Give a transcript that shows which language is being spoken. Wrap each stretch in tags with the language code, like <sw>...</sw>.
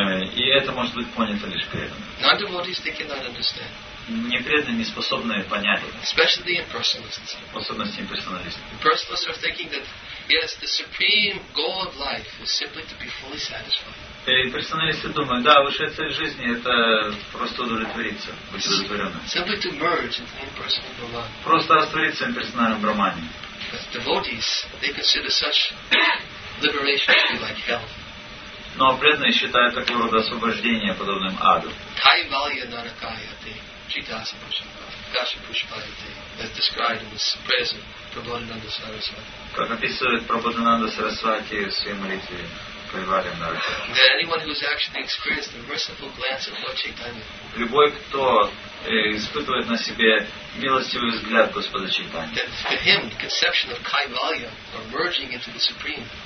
<ru>И это может быть понято лишь преданным. Не преданные, не способные понять это.</ru> <en>Especially the impersonalists.</en> <ru>Особенно имперсоналисты.</ru> <en>Impersonalists are thinking that yes, the supreme goal of life is simply to be fully satisfied.</en> <ru>Имперсоналисты думают, да, высшая цель жизни это просто удовлетвориться, быть удовлетворенным.</ru> <en>Simply to merge into the impersonal Brahman.</en> <ru>Просто раствориться в имперсональном Брахмане.</ru> <en>But devotees, they consider such liberation to be like hell.</en> <ru>Но преданные считают такого рода освобождение подобным аду.</ru> <sa>Кайвалья наракаяте, читаса пушпаяте, каша пушпаяте,</sa> <en>as described in this prayer of Прабхупада Сарасвати.</en> <ru>Как описывает Прабхупада Сарасвати в своей молитве Кайвалья наракаяте.</ru> <en>That anyone who has actually experienced the merciful glance of Lord Chaitanya.</en> <ru>Любой, кто испытывает на себе милостивый взгляд Господа Чайтанья.</ru> <en>For him, the conception of Kaivalya, or merging into the Supreme.</en>